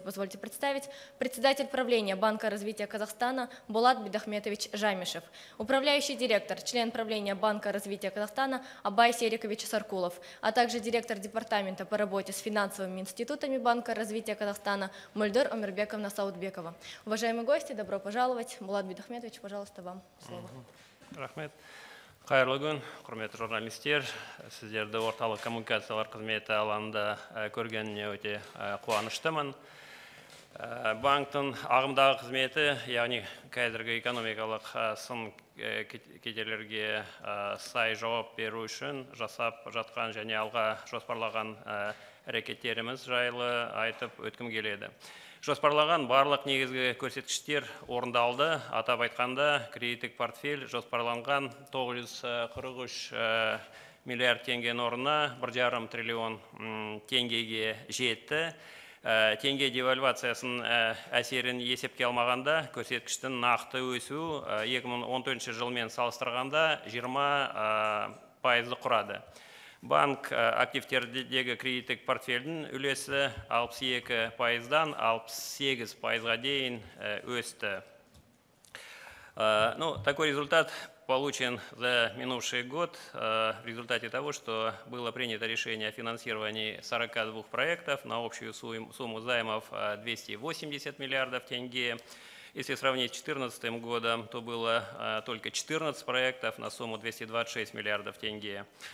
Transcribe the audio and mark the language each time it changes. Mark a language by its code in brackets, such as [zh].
[ru] Позвольте представить председатель правления Банка развития Казахстана Булат Бидахметович Жамишев, управляющий директор, член правления Банка развития Казахстана Абай Серикович Саркулов, а также директор департамента по работе с финансовыми институтами Банка развития Казахстана Мульдор Омирбековна Саутбекова. Уважаемые гости, добро пожаловать. Булат Бидахметович, пожалуйста, вам слово. [kk] Рахмет. Қайырлы күн, құрметті журналистер. Сіздерді орталық коммуникациялар қызметі алаңында көргеніме өте қуаныштымын. Банктың ағымдағы қызметі, яғни қазіргі экономикалық сын кедерлерге сай жауап беру үшін жасап жатқан және алға жоспарлаған әрекеттеріміз жайлы айтып өткім келеді. Жоспарлаған барлық негізгі көрсеткіштер орындалды. Атап айтқанда, кредиттік портфель жоспарланған 943 миллиард теңгенің орнына 1,5 триллион теңгеге жетті. Тенге девальвациясын әсерін есепке алмағанда көрсеткіштің нақты өсу 2014 жылмен салыстырғанда 20% құрады. Банк активтердегі кредиттік портфельдің үлесі 62%-дан 68%-ға дейін өсті. [ru] Ну, такой результат получен за минувший год в результате того, что было принято решение о финансировании 42 проектов на общую сумму займов 280 миллиардов тенге. Если сравнить с 2014 годом, то было только 14 проектов на сумму 226 миллиардов тенге.